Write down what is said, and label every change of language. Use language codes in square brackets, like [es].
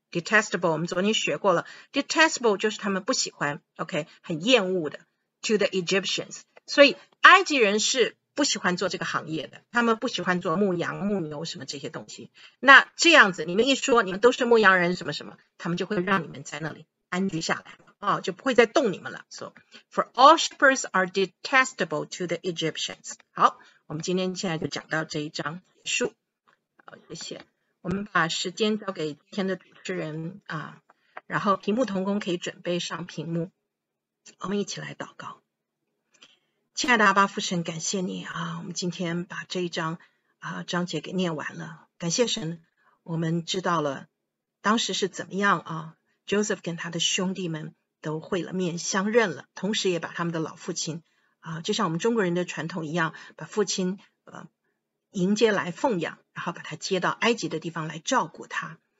[zh] Detestable, 我们昨天学过了 ,detestable 就是他们不喜欢 ,OK, 很厌恶的 , [en] to the Egyptians. [zh] 所以埃及人是不喜欢做这个行业的，他们不喜欢做牧羊、牧牛什么这些东西。那这样子你们一说你们都是牧羊人什么什么，他们就会让你们在那里安居下来、哦、就不会再动你们了。 [en] So, for all shepherds are detestable to the Egyptians. [zh] 好，我们今天现在就讲到这一章结束。好，谢谢。我们把时间交给今天的主持人啊，然后屏幕同工可以准备上屏幕，我们一起来祷告。亲爱的阿爸父神，感谢你啊，我们今天把这一章啊章节给念完了，感谢神，我们知道了当时是怎么样啊 ，Joseph 跟他的兄弟们都会了面，相认了，同时也把他们的老父亲啊，就像我们中国人的传统一样，把父亲迎接来奉养，然后把他接到埃及的地方来照顾他。